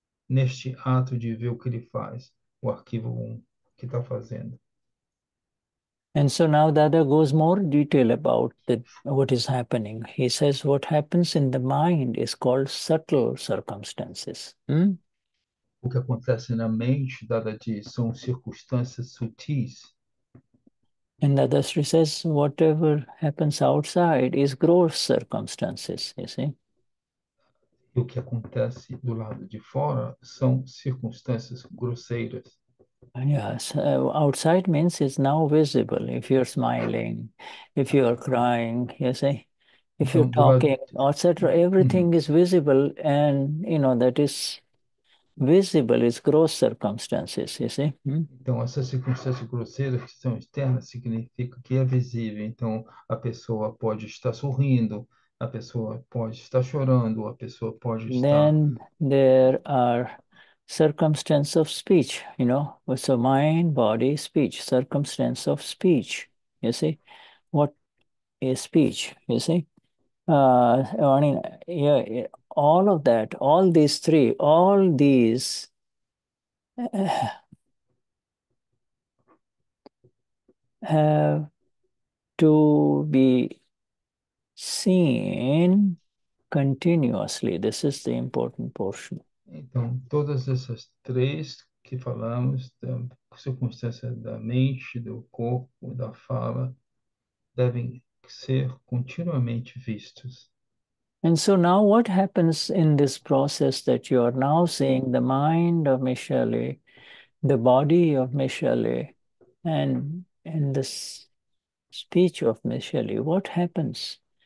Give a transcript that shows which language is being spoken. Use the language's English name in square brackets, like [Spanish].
[Portuguese] Neste ato de ver o que ele faz, o arquivo 1 que está fazendo. [English] And so now Dada goes more detail about what is happening. He says what happens in the mind is called subtle circumstances. [Portuguese] O que acontece na mente, Dada diz, são circunstâncias sutis. [English] And Dada Sri says whatever happens outside is gross circumstances, you see. [Portuguese] E o que acontece do lado de fora são circunstâncias grosseiras. [English] Yes, outside means it's now visible. If you're smiling, if you're crying, you see, if [Portuguese] Então, [English] you're talking, etc., everything is visible, and you know that is visible is gross circumstances, you see. [Portuguese] então essas circunstâncias grosseiras que são externas significa que é visível. Então, a pessoa pode estar sorrindo, a pessoa pode estar chorando, a pessoa pode estar. [English] Then there are circumstance of speech, you know, so mind, body, speech, circumstance of speech, you see, what is speech, you see, yeah, all of that, all these three, all these have to be seen continuously. This is the important portion. [Portuguese] Então, todas essas três que falamos, da circunstância da mente, do corpo, da fala, devem ser continuamente vistos. [English] And so now what happens in this process that you are now seeing the mind of Michele, the body of Michele, and the speech of Michele, what happens?